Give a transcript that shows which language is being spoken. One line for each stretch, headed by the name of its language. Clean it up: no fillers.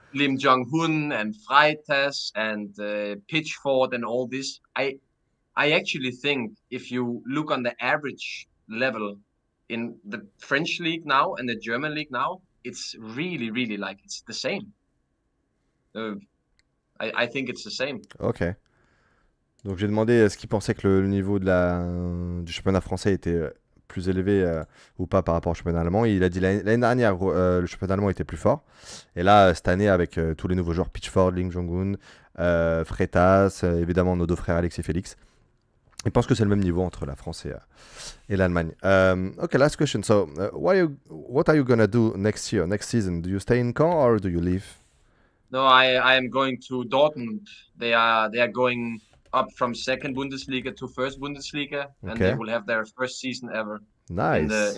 English: Lim Jong-hun and Freitas and Pitchford and all this, I actually think if you look on the average level in the French league now and the German league now, it's really, really like it's the same. I think it's the same. okay.
French: Donc j'ai demandé ce qu'il pensait que le niveau de la du championnat français était plus élevé ou pas par rapport au championnat allemand. Il a dit l'année dernière, le championnat allemand était plus fort. Et là, cette année, avec tous les nouveaux joueurs, Pitchford, Ling Junggun, Freitas, évidemment nos deux frères Alex et Félix, il pense que c'est le même niveau entre la France et l'Allemagne.
English: Ok, last question. So, what are you gonna do next year, next season? Do you stay in Caen or do you leave? No, I am going to Dortmund. They are going up from second Bundesliga to first Bundesliga, and they Okay. will have their first season ever Nice.